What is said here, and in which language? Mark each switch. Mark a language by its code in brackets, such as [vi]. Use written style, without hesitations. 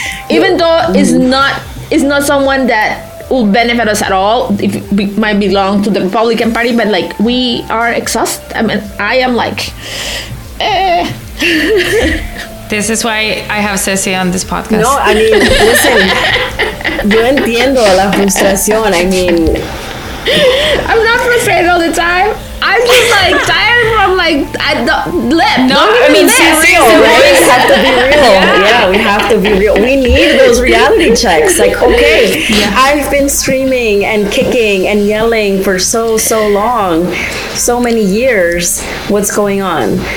[en] Even though it's not someone that will benefit us at all. It might belong to the Republican Party, but like we are exhausted. I mean, I am like, this is why I have Ceci on this podcast. No, I mean, listen, [es] yo entiendo la frustración. [en] I mean, I'm not frustrated all the time. I'm just like tired from like at the lip. No, I mean, real. We have to be real. Yeah, we have to be real. We need those reality checks. Like, okay, I've been screaming and kicking and yelling for so long, so many years. What's going on?